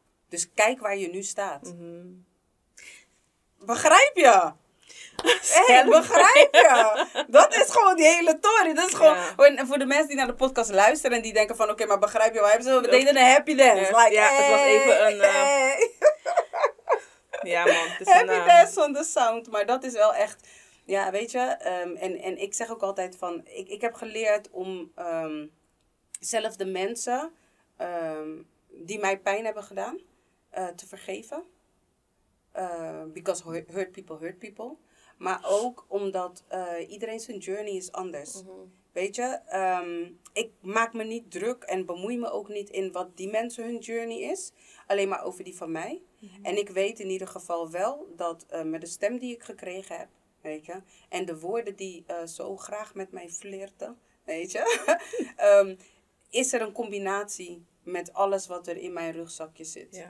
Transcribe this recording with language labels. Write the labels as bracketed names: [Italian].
[Dutch] Dus kijk waar je nu staat. Mm-hmm. Begrijp je? Begrijp je? Dat is gewoon die hele story. Dat is gewoon voor de mensen die naar de podcast luisteren en die denken van oké, maar begrijp je, we deden een happy dance. [English] Yes. Happy dance on the sound. [Dutch] Maar dat is wel echt, ja, weet je, en ik zeg ook altijd van, ik heb geleerd om zelf de mensen die mij pijn hebben gedaan te vergeven. [English] Because hurt people hurt people. [Dutch] Maar ook omdat iedereen zijn journey is anders. Mm-hmm. Weet je, ik maak me niet druk en bemoei me ook niet in wat die mensen hun journey is. Alleen maar over die van mij. Mm-hmm. En ik weet in ieder geval wel dat met de stem die ik gekregen heb, weet je, en de woorden die zo graag met mij flirten, weet je, is er een combinatie met alles wat er in mijn rugzakje zit.